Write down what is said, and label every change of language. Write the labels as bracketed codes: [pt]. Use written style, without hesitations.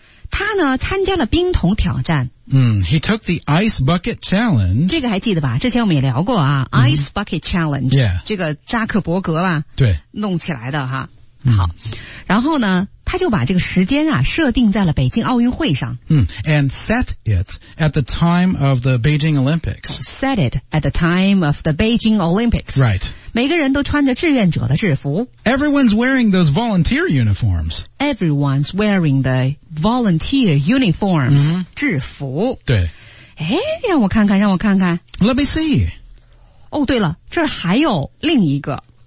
[zh] 他呢，参加了冰桶挑战。 [en] 嗯 ，He took the ice bucket challenge. [zh] 这个还记得吧？之前我们也聊过啊、， [en] ice bucket challenge. Yeah. [zh] 这个扎克伯格吧。对。弄起来的哈。好，然后呢，他就把这个时间啊设定在了北京奥运会上。 [en] And set it at the time of the Beijing Olympics. Set it at the time of the Beijing Olympics. Right. [zh] 每个人都穿着志愿者的制服。 [en] Everyone's wearing those volunteer uniforms. Everyone's wearing the volunteer uniforms. [zh] 制服。对。哎，让我看看，让我看看。 [en] Let me see. [zh] 哦，对了，这儿还有另一个。